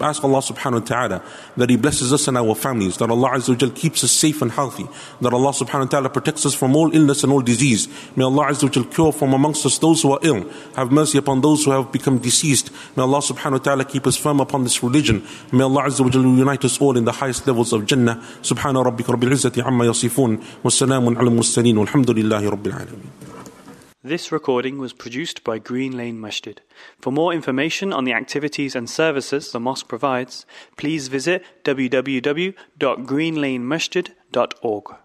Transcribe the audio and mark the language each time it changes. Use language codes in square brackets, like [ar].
[en] Ask Allah subhanahu wa ta'ala that He blesses us and our families, that Allah azza wa jalla keeps us safe and healthy, that Allah subhanahu wa ta'ala protects us from all illness and all disease. May Allah azza wa jalla cure from amongst us those who are ill. Have mercy upon those who have become deceased. May Allah subhanahu wa ta'ala keep us firm upon this religion. May Allah azza wa jalla unite us all in the highest levels of Jannah. [ar] Subhanahu rabbika رب العزة عما يصفون والسلام على المرسلين والحمد لله رب العالمين. [en] This recording was produced by Green Lane Masjid. For more information on the activities and services the mosque provides, please visit www.greenlanemasjid.org.